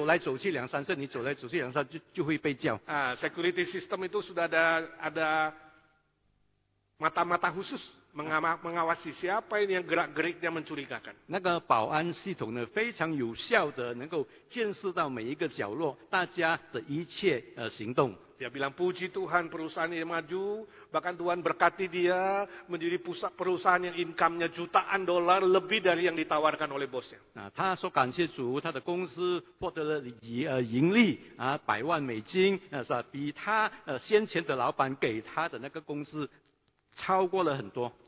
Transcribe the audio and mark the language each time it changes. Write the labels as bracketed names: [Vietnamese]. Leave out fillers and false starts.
[Chinese] 他说假如你在这个监管系统之下，这个CCTV照之下，你不可以走来走去两三次，你走来走去两三次就会被叫。 [Indonesian] Security system itu sudah ada mata-mata khusus mengawasi siapa ini yang gerak-geriknya mencurigakan. [Chinese] 那个保安系统呢非常有效的能够监视到每一个角落大家的一切行动。 [Indonesian] Dia bilang puji Tuhan perusahaan ini maju, bahkan Tuhan berkati dia menjadi pusat perusahaan yang income-nya jutaan dolar lebih dari yang ditawarkan oleh bosnya. [Chinese] 他说感谢主，他的公司获得了盈利，百万美金，比他先前的老板给他的那个公司超过了很多。